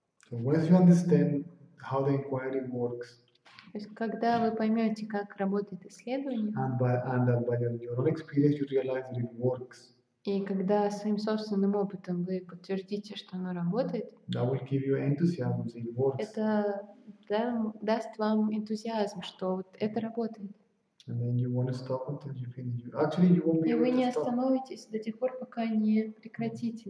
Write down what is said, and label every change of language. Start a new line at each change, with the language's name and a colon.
English: So once you understand how the inquiry works.
Russian: То есть когда вы поймете, как работает исследование.
English: And by your own experience, you realize that it works.
Russian: И когда своим собственным опытом вы подтвердите, что оно работает,
English: that will give you enthusiasm, it works.
Russian: Это даст вам энтузиазм, что вот это работает. И вы не остановитесь до тех пор, пока не прекратите.